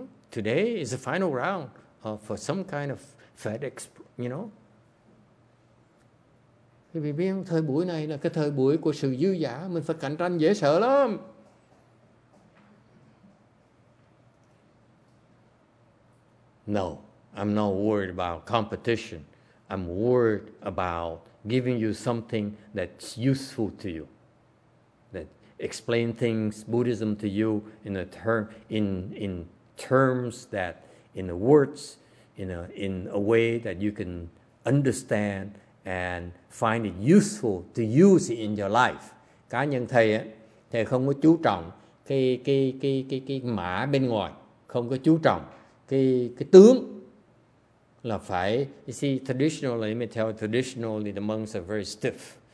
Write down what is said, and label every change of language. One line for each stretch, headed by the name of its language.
English: Today is the final round for some kind of FedEx, you know.
Vietnamese: Thì vì biết thời buổi này là cái thời buổi của sự dư giả, mình phải cạnh tranh dễ sợ lắm.
English: No, I'm not worried about competition. I'm worried about giving you something that's useful to you. Explain things, Buddhism to you in a term, in terms that, in the words, in a way that you can understand and find it useful to use in your life.
Vietnamese: Cá nhân thầy ấy, thầy không có chú trọng cái mã bên ngoài, không có chú trọng cái tướng là phải.
English: You see, traditionally, let me tell you, traditionally the monks are very stiff.